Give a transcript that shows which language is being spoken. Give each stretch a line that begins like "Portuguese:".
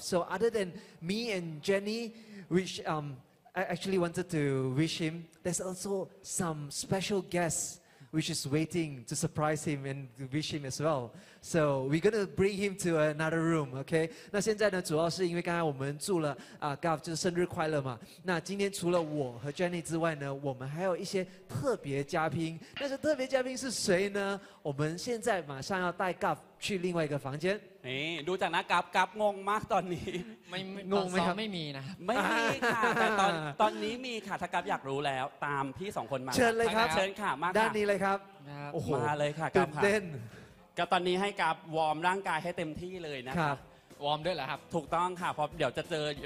English: So other than me and Jenny, which I actually wanted to wish him, there's also some special guests which is waiting to surprise him and wish him as well. So we're gonna bring him to another room, okay?
Chinese: 那现在呢，主要是因为刚才我们祝了Gav 就是生日快乐嘛。那今天除了我和 Jenny 之外呢，我们还有一些特别嘉宾。那这特别嘉宾是谁呢？我们现在马上要带 Gav 去另外一个房间。
Thai: 哎，ดูจากนะ Gav งงมากตอนนี้ไม่งงไหมครับไม่มีนะ ไม่มีค่ะแต่ตอนนี้มีค่ะถ้า Gav อยากรู้แล้วตามพี่สองคนมา เชิญเลยครับ เชิญค่ะมา ด้านนี้เลยครับ มาเลยค่ะ Gav เต้น ก็ตอนนี้ให้กับวอร์มร่างกายให้เต็มที่เลยนะครับ วอร์มด้วยเหรอครับ ถูกต้องค่ะเพราะเดี๋ยวจะเจอ